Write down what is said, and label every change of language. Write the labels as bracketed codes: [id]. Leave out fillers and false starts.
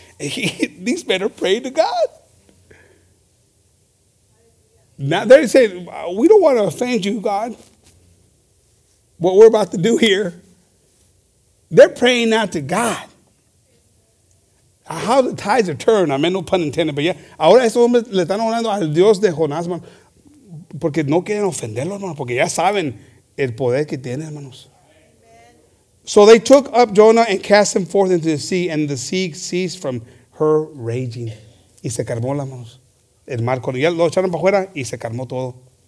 [en] These men are praying to God. Now they say, we don't want to offend you, God. What we're about to do here, they're praying out to God. How the tides are turned. I mean, no pun intended, but yeah. [es] Ahora estos hombres le están hablando al Dios de Jonás, man, porque no quieren ofenderlo, hermano, porque ya saben el poder que tiene, hermanos. [en] So they took up Jonah and cast him forth into the sea, and the sea ceased from her raging. [es] Y se calmó, hermanos. El mar, cuando ya lo echaron para afuera, y se calmó todo.